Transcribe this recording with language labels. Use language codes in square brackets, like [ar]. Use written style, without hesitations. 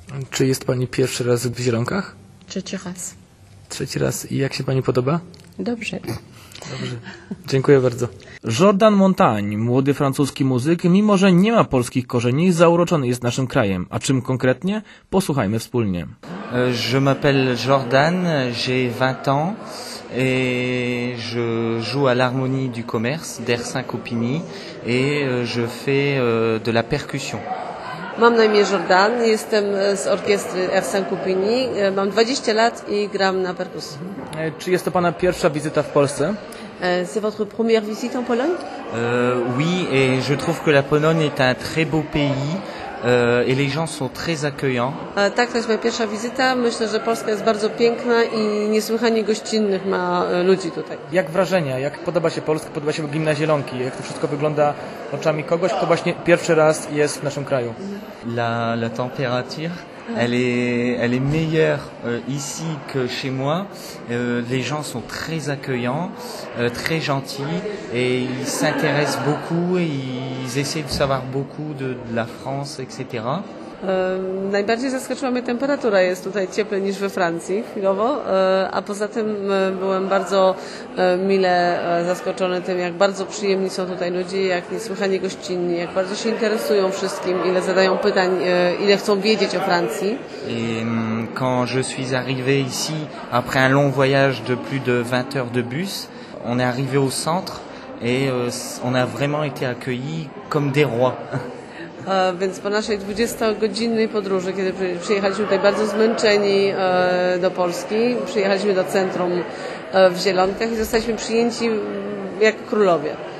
[pl] Czy jest pani pierwszy raz w Zielonkach? Trzeci raz. Trzeci raz. I jak się pani podoba? Dobrze. Dobrze. Dziękuję bardzo. Jordan Montagne, młody francuski muzyk, mimo że nie ma polskich korzeni, zauroczony jest naszym krajem. A czym konkretnie? Posłuchajmy wspólnie. [fr] Je m'appelle Jordan, j'ai 20 ans et je joue à l'harmonie du commerce d'Air Syncopini et je fais de la percussion. [pl] Mam na imię Jordan, jestem z orkiestry Air Syncopini, mam 20 lat i gram na perkusji. Czy jest to pana pierwsza wizyta w Polsce? [fr] C'est votre première visite en Pologne? Oui, et je trouve que la Pologne est un très beau pays et les gens sont très accueillants. [pl] Tak, to jest moja pierwsza wizyta. Myślę, że Polska jest bardzo piękna i niesłychanie gościnnych ma ludzi tutaj. Jak wrażenia? Jak podoba się Polska? Podoba się gmina Zielonki? Jak to wszystko wygląda oczami kogoś, kto właśnie pierwszy raz jest w naszym kraju? [fr] La température, elle est meilleure ici que chez moi. Les gens sont très accueillants, très gentils et ils s'intéressent beaucoup et ils essaient de savoir beaucoup de la France, etc. [pl] Najbardziej zaskoczyła mnie temperatura, jest tutaj cieplej niż we Francji chwilowo, a poza tym byłem bardzo mile zaskoczony tym, jak bardzo przyjemni są tutaj ludzie, jak niesłychanie gościnni, jak bardzo się interesują wszystkim, ile zadają pytań, ile chcą wiedzieć o Francji. [fr] Et quand je suis arrivé ici après un long voyage de plus de 20 heures de bus, on est arrivé au centre et on a vraiment été accueillis comme des rois. [pl] Więc po naszej 20-godzinnej podróży, kiedy przyjechaliśmy tutaj bardzo zmęczeni do Polski, przyjechaliśmy do centrum w Zielonkach i zostaliśmy przyjęci jak królowie.